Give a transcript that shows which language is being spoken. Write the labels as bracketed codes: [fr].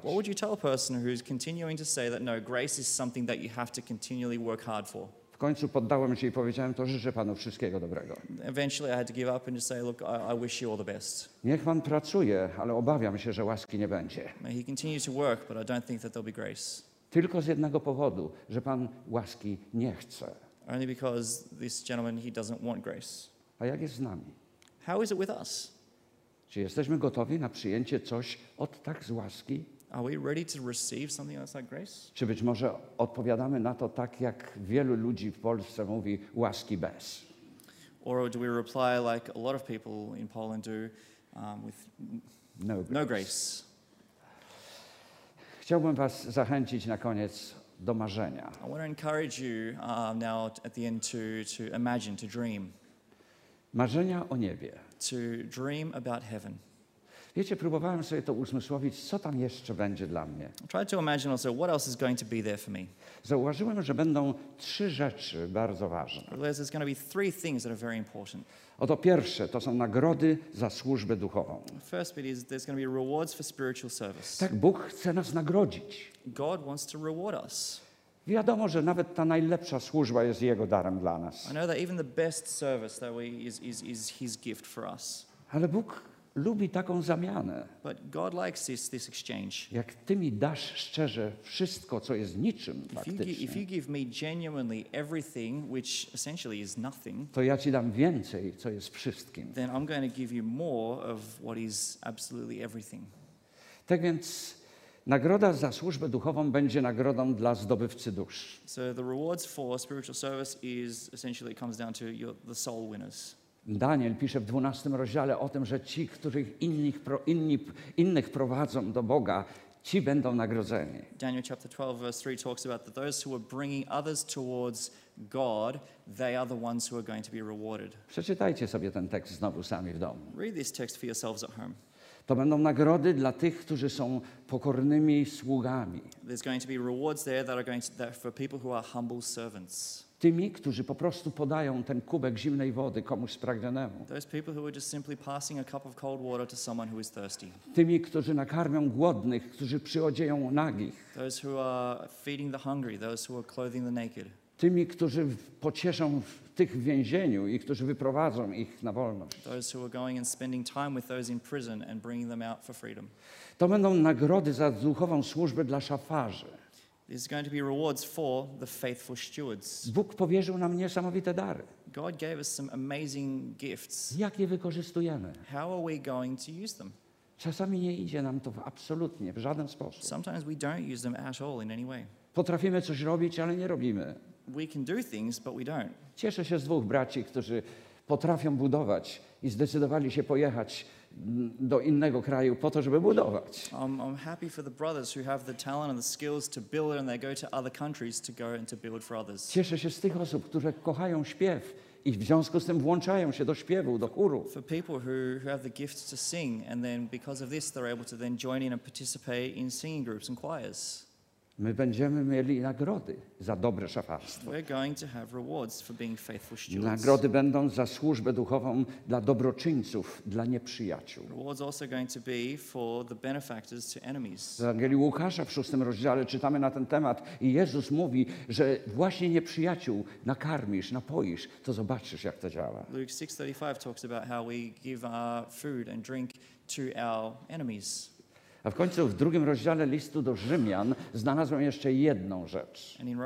[en] What would you tell a person who's continuing to say that no, grace is something that you have to continually work hard for? [pl] W końcu poddałem się i powiedziałem: to życzę panu wszystkiego dobrego. [en] Eventually I had to give up and just say, look, I wish you all the best. [pl] Niech pan pracuje, ale obawiam się, że łaski nie będzie. [en] May he continue to work, but I don't think that there'll be grace. [pl] Tylko z jednego powodu, że pan łaski nie chce. [en] Only because this gentleman, he doesn't want grace. [pl] A jak jest z nami? [en] How is it with us? [pl] Czy jesteśmy gotowi na przyjęcie coś od tak z łaski? [en] Are we ready to receive something that's like grace? [pl] Czy być może odpowiadamy na to tak, jak wielu ludzi w Polsce mówi: łaski bez? [en] Or do we reply like a lot of people in Poland do, with no grace. No grace? [pl] Chciałbym was zachęcić na koniec do marzenia. [en] I want to encourage you now at the end to imagine, to dream. [pl] Marzenia o niebie. [en] To dream about heaven. [pl] Wiecie, próbowałem sobie to uzmysłowić, co tam jeszcze będzie dla mnie. [en] Try to imagine also what else is going to be there for me. [pl] Zauważyłem, że będą trzy rzeczy bardzo ważne. [en] There's going to be three things that are very important. [pl] Oto pierwsze, to są nagrody za służbę duchową. [en] First bit is there's going to be rewards for spiritual service. [pl] Tak, Bóg chce nas nagrodzić. [en] God wants to reward us. [pl] Wiadomo, że nawet ta najlepsza służba jest Jego darem dla nas. [en] I know that even the best service that we is His gift for us. [pl] Ale Bóg lubi taką zamianę. [en] But God likes this exchange. [pl] Jak ty mi dasz szczerze wszystko, co jest niczym faktycznie. [en] If you give me genuinely everything, which essentially is nothing. [pl] To ja ci dam więcej, co jest wszystkim. [en] Then I'm going to give you more of what is absolutely everything. [pl] Tak więc nagroda za służbę duchową będzie nagrodą dla zdobywcy dusz. [en] So the rewards for spiritual service is essentially comes down to the soul winners. [pl] Daniel pisze w 12 rozdziale o tym, że ci, których innych prowadzą do Boga, ci będą nagrodzeni. [en] Daniel chapter 12 verse 3 talks about that those who are bringing others towards God, they are the ones who are going to be rewarded. [pl] Przeczytajcie sobie ten tekst znowu sami w domu. [en] Read this text for yourselves at home. [pl] To będą nagrody dla tych, którzy są pokornymi sługami. [en] There's going to be rewards there that are going to that for people who are humble servants. [pl] Tymi, którzy po prostu podają ten kubek zimnej wody komuś spragnionemu. [en] Those people who are just simply passing a cup of cold water to someone who is thirsty. [pl] Tymi, którzy nakarmią głodnych, którzy przyodzieją nagich. [en] Those who are feeding the hungry, those who are clothing the naked. [pl] Tymi, którzy pocieszą tych w więzieniu i którzy wyprowadzą ich na wolność. [en] Those who are going and spending time with those in prison and bringing them out for freedom. [pl] To będą nagrody za duchową służbę dla szafarzy. [en] There's going to be rewards for the faithful stewards. [pl] Bóg powierzył nam niesamowite dary. [en] God gave us some amazing gifts. [pl] Jak je wykorzystujemy? [en] How are we going to use them? [pl] Czasami nie idzie nam to absolutnie, w żaden sposób. [en] Sometimes we don't use them at all in any way. [pl] Potrafimy coś robić, ale nie robimy. [en] We can do things, but we don't. [pl] Cieszę się z dwóch braci, którzy potrafią budować i zdecydowali się pojechać do innego kraju po to, żeby budować. [en] I'm happy for the brothers who have the talent and the skills to build and they go to other countries to go and to build for others. [pl] Cieszę się z tych osób, które kochają śpiew i w związku z tym włączają się do śpiewu, do chóru. [en] For people who have the gift to sing and then because of this they're able to then join in and participate in singing groups and choirs. [pl] My będziemy mieli nagrody za dobre szafarstwo. [en] We're going to have rewards for being faithful stewards. [pl] Nagrody będą za służbę duchową dla dobroczyńców, dla nieprzyjaciół. [en] Rewards also going to be for the benefactors to enemies. [pl] W Ewangelii Łukasza w 6 rozdziale czytamy na ten temat i Jezus mówi, że właśnie nieprzyjaciół nakarmisz, napoisz, to zobaczysz, jak to działa. [en] Luke 6:35 talks about how we give our food and drink to our enemies. [pl] A w końcu w drugim rozdziale listu do Rzymian znalazłem jeszcze jedną rzecz.